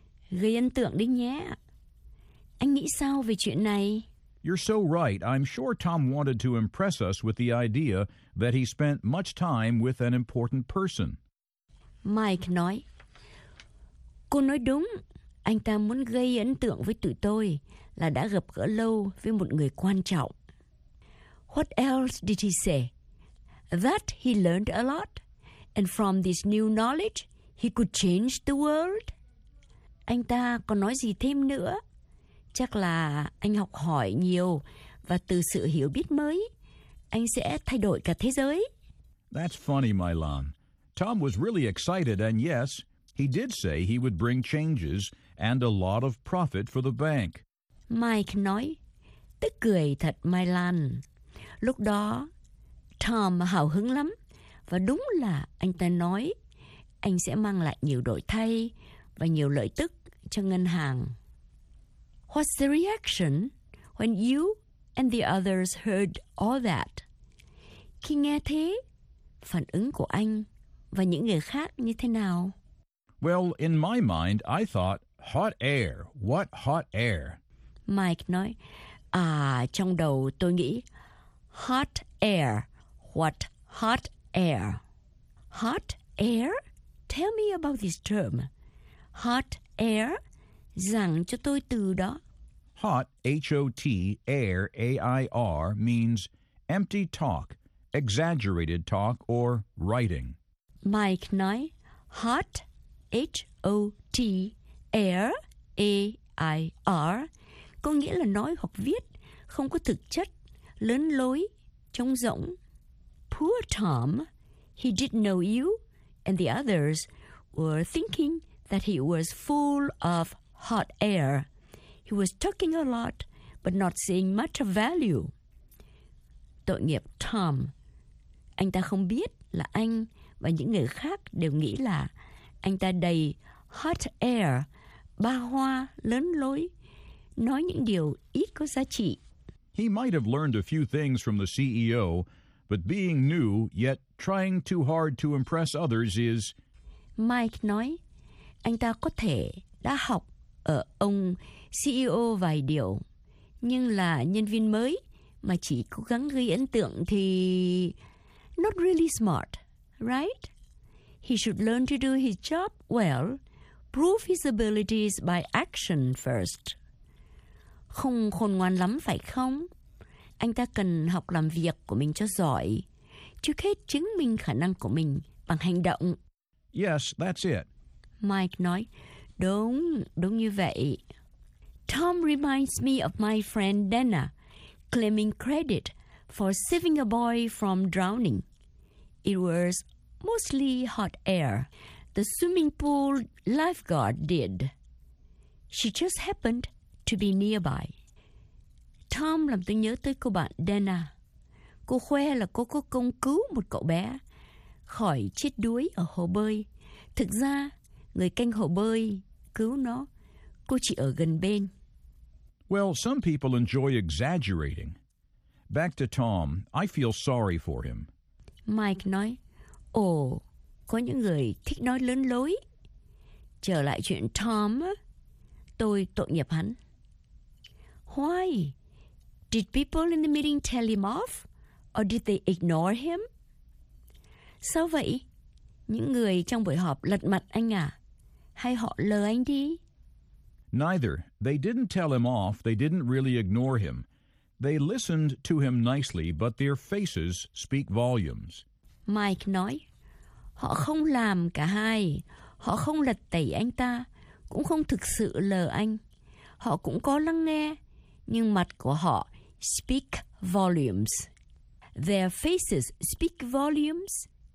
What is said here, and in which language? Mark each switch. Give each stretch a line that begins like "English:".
Vietnamese: Gây ấn tượng đấy nhé. Anh nghĩ sao về chuyện này?
English: You're so right. I'm sure Tom wanted to impress us with the idea that he spent much time with an important person.
Vietnamese: Mike nói, cô nói đúng. Anh ta muốn gây ấn tượng với tụi tôi là đã gặp gỡ lâu với một người quan trọng.
English: What else did he say? That he learned a lot, and from this new knowledge, he could change the world.
Vietnamese: Anh ta còn nói gì thêm nữa? Chắc là anh học hỏi nhiều, và từ sự hiểu biết mới, anh sẽ thay đổi cả thế giới.
English: That's funny, Milan. Tom was really excited, and yes, he did say he would bring changes and a lot of profit for the bank.
Vietnamese: Mike nói, tức cười thật, Milan. Lúc đó, Tom hào hứng lắm, và đúng là anh ta nói anh sẽ mang lại nhiều đổi thay và nhiều lợi tức cho ngân hàng.
English: What's the reaction when you and the others heard all that?
Vietnamese: Khi nghe thế, phản ứng của anh và những người khác như thế nào?
English: Well, in my mind, I thought, hot air, what hot air?
Vietnamese: Mike nói, à, trong đầu tôi nghĩ,
English: hot air, what hot air? Hot air? Tell me about this term. Hot air?
Vietnamese: Giảng cho tôi từ đó.
English: Hot, H-O-T, air, A-I-R, means empty talk, exaggerated talk, or writing.
Vietnamese: Mike nói, hot, H-O-T, air, A-I-R, có nghĩa là nói hoặc viết, không có thực chất, lớn lối, trống rỗng.
English: Poor Tom, he didn't know you, and the others were thinking that he was full of hot air. He was talking a lot, but not seeing much of value.
Vietnamese: Tội nghiệp Tom. Anh ta không biết là anh và những người khác đều nghĩ là anh ta đầy hot air ba hoa, lớn lối, nói những điều ít có giá trị.
English: He might have learned a few things from the CEO, but being new yet trying too hard to impress others is...
Vietnamese: Mike nói, anh ta có thể đã học ở ông CEO vài điều, nhưng là nhân viên mới mà chỉ cố gắng gây ấn tượng thì...
English: Not really smart, right? He should learn to do his job well, prove his abilities by action first.
Vietnamese: Không khôn ngoan lắm phải không? Anh ta cần học làm việc của mình cho giỏi, trước hết chứng minh khả năng của mình bằng hành động.
English: Yes, that's it.
Vietnamese: Mike nói, đúng, đúng như vậy.
English: Tom reminds me of my friend Dana, claiming credit for saving a boy from drowning. It was mostly hot air. The swimming pool lifeguard did. She just happened to be nearby.
Vietnamese: Tom làm tôi nhớ tới cô bạn Dana. Cô khoe là cô có công cứu một cậu bé khỏi chết đuối ở hồ bơi. Thực ra, người canh hồ bơi cứu nó, cô chỉ ở gần bên.
English: Well, some people enjoy exaggerating. Back to Tom, I feel sorry for him.
Vietnamese: Mike nói, ồ, có những người thích nói lớn lối. Trở lại chuyện Tom, tôi tội nghiệp hắn.
English: Why? Did people in the meeting tell him off? Or did they ignore him?
Vietnamese: Sao vậy? Những người trong buổi họp lật mặt anh à? Hay họ lờ anh đi?
English: Neither. They didn't tell him off. They didn't really ignore him. They listened to him nicely, but their faces speak volumes.
Vietnamese: Mike nói, họ không làm cả hai. Họ không lật tẩy anh ta, cũng không thực sự lờ anh. Họ cũng có lắng nghe, nhưng mặt của họ speak volumes.
English: Their faces speak volumes.